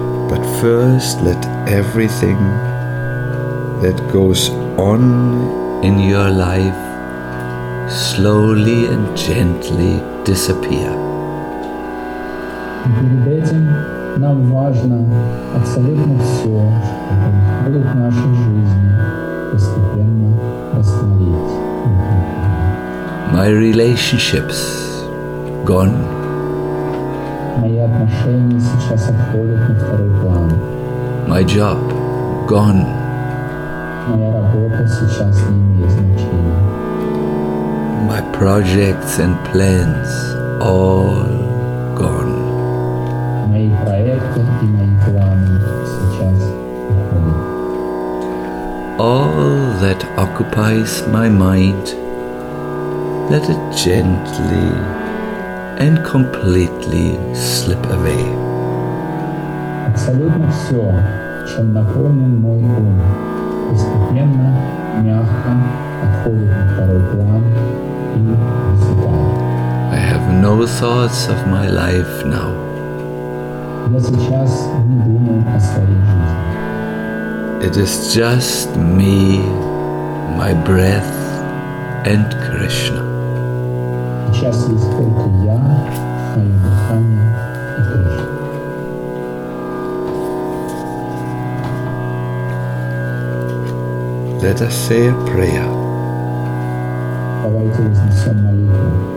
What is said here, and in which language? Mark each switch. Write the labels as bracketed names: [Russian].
[English] But first, let everything that goes on in your life slowly and gently disappear. [Russian] Перед этим нам важно абсолютно все, что происходит в нашей жизни, постепенно остановить. [English] My relationships gone. [Russian] Мои отношения сейчас отходят на второй план. [English] My job gone. [Russian] Моя работа сейчас не имеет значения. [English] My projects and plans all gone. [Russian] Мои проекты и мои планы сейчас уходят. [English] All that occupies my mind, let it gently and completely slip away. [Russian] Абсолютно все, чем наполнен мой ум, постепенно, мягко отходит на второй план и высыпает. [English] I have no thoughts of my life now. [Russian] Я сейчас не думаю о своей жизни. [English] It is just me, my breath and Krishna. [Russian] Сейчас есть только я, мое дыхание и Кришна. [English] Let us say a prayer. [Russian] Давайте вознесем молитву.